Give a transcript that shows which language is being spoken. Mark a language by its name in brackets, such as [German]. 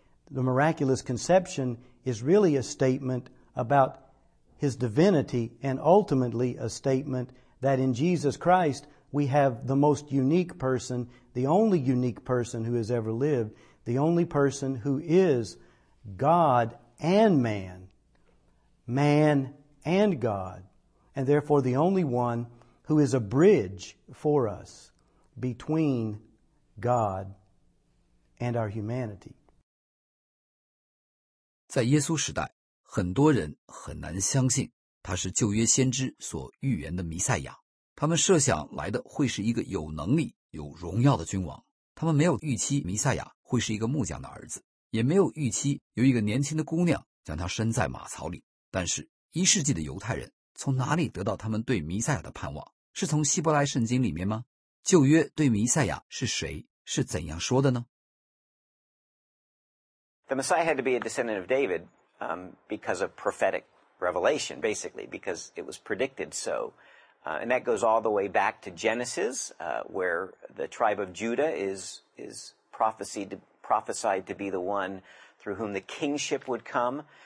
[English] The miraculous conception is really a statement about his divinity, and ultimately a statement that in Jesus Christ we have the most unique person, the only unique person who has ever lived, the only person who is God and man, man and God, and therefore the only one who is a bridge for us between God and our humanity. [Chinese] 在耶稣时代，很多人很难相信他是旧约先知所预言的弥赛亚，他们设想来的会是一个有能力、有荣耀的君王，他们没有预期弥赛亚会是一个木匠的儿子，也没有预期有一个年轻的姑娘将他生在马槽里。但是一世纪的犹太人从哪里得到他们对弥赛亚的盼望？是从希伯来圣经里面吗？旧约对弥赛亚是谁，是怎样说的呢？ [English] The Messiah had to be a descendant of David, because of prophetic revelation, basically, because it was predicted so. And that goes all the way back to Genesis, where the tribe of Judah is prophesied to be the one through whom the kingship would come.